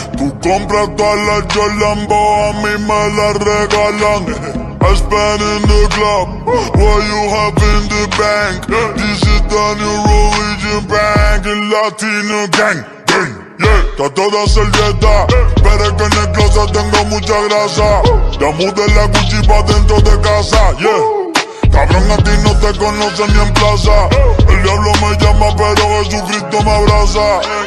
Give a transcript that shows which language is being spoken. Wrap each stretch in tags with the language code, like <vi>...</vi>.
<es>Tú compras todas las Jolambo, a mí me las regalan.</es> <en>I spend in the club, what you have in the bank. This is the new religion bank,</en> <es>el latino</es> <en>gang, gang.</en> <es>Está toda servieta, pero es que en el closet tengo mucha grasa. Ya mudé la Gucci pa' dentro de casa, yeah. Cabrón, a ti no te conocen ni en plaza. El diablo me llama, pero Jesucristo me abraza.</es>